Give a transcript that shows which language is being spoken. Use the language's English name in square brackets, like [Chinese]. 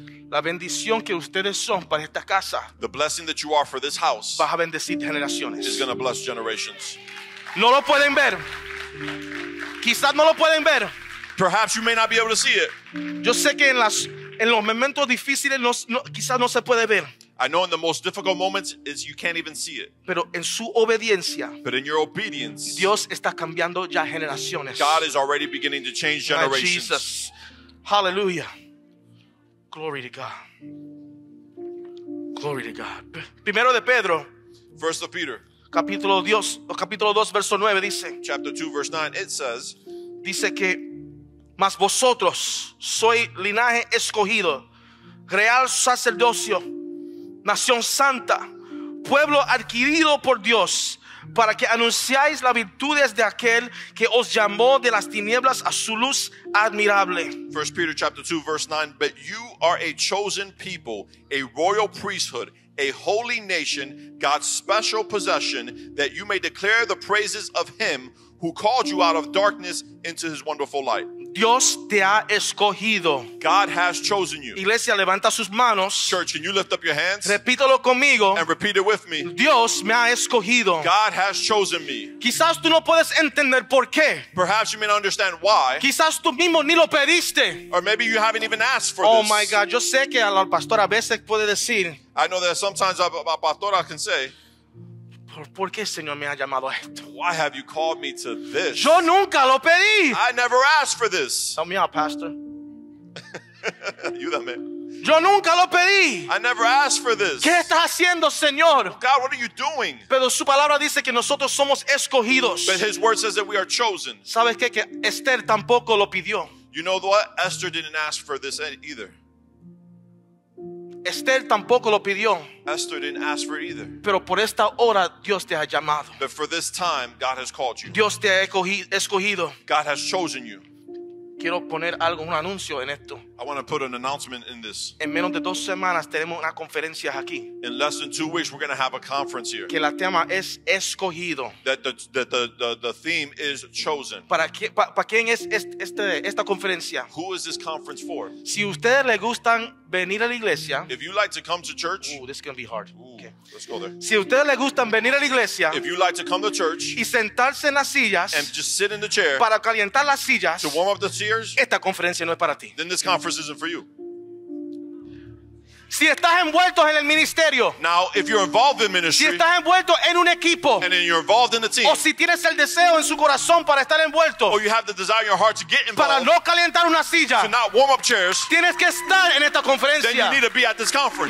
[Spanish] La bendición que ustedes son para esta casa. [English] The blessing that you are for this house. [Spanish] Vas a bendecir generaciones. [English] Is going to bless generations. [Spanish] No lo pueden ver. Quizás no lo pueden ver. [English] Perhaps you may not be able to see it. [Spanish] Yo sé que en los momentos difíciles quizás no se puede ver. [English] I know in the most difficult moments is you can't even see it. [Spanish] Pero en su obediencia, [English] but in your obedience, [Spanish] Dios está cambiando ya generaciones. [English] God is already beginning to change generations. Jesus. Hallelujah. Glory to God. Glory to God. [Spanish] Primero de Pedro. [English] First of Peter. [Spanish] Capítulo 2, verso 9 dice. [English] Chapter 2, verse 9, it says. [Spanish] Dice que, mas vosotros sois linaje escogido, real sacerdocio, nación santa, pueblo adquirido por Dios, para que anunciáis las virtudes de aquel que os llamó de las tinieblas a su luz admirable. [English] 1 Peter chapter 2 verse 9, but you are a chosen people, a royal priesthood, a holy nation, God's special possession, that you may declare the praises of him who called you out of darkness into his wonderful light. [Spanish] Dios te ha escogido. [English] God has chosen you. [Spanish] Iglesia, levanta sus manos. [English] Church, can you lift up your hands? [Spanish] Repítelo conmigo. [English] And repeat it with me. [Spanish] Dios me ha escogido. [English] God has chosen me. [Spanish] Quizás tú no puedes entender por qué. [English] Perhaps you may not understand why. [Spanish] Quizás tú mismo ni lo pediste. [English] Or maybe you haven't even asked for oh this. Oh my God, [Spanish] yo sé que el pastor a veces puede decir. [English] I know that sometimes a pastor can say. [Spanish] ¿Por qué Señor me ha llamado a esto? [English] Why have you called me to this? [Spanish] Yo nunca lo pedí. [English] I never asked for this. Help me out, Pastor. You the man. [Spanish] Yo nunca lo pedí. [English] I never asked for this. [Spanish] ¿Qué estás haciendo, Señor? [English] God, what are you doing? [Spanish] Pero su palabra dice que nosotros somos escogidos. [English] But his word says that we are chosen. [Spanish] ¿Sabes qué? Que Esther tampoco lo pidió. [English] You know what? Esther didn't ask for this either. [Spanish] Esther tampoco lo pidió. [English] Esther didn't ask for it either. [Spanish] Pero por esta hora Dios te ha llamado. [English] But for this time, God has called you. [Spanish] Dios te ha escogido. [English] God has chosen you. [Spanish] Quiero poner algo, un anuncio en esto. [English] I want to put an announcement in this. [Spanish] En menos de dos semanas tenemos una conferencia aquí. [English] In less than 2 weeks, we're going to have a conference here. [Spanish] Que la tema es escogido. [English] That the theme is chosen. [Spanish] ¿Para quién es esta conferencia? [English] Who is this conference for? [Spanish] Si ustedes les gustan venir a la iglesia. [English] If you like to come to church. Ooh, this is going to be hard. Ooh, okay. Let's go there. [Spanish] Si ustedes les gustan venir a la iglesia. [English] If you like to come to church. [Spanish] Y sentarse en las sillas. [English] And just sit in the chair. [Spanish] Para calentar las sillas. [English] To warm up the chairs. [Spanish] Esta conferencia no es para ti. [English] Then this conference isn't for you. [Spanish] Si estás envuelto en el ministerio. [English] Now, if you're involved in ministry. [Spanish] Si estás envuelto en un equipo. [English] And then you're involved in the team. [Spanish] O si tienes el deseo en su corazón para estar envuelto. [English] Or you have the desire in your heart to get involved. [Spanish] Para no calentar una silla. [English] To not warm up chairs. [Spanish] Tienes que estar en esta conferencia. [English] Then you need to be at this conference.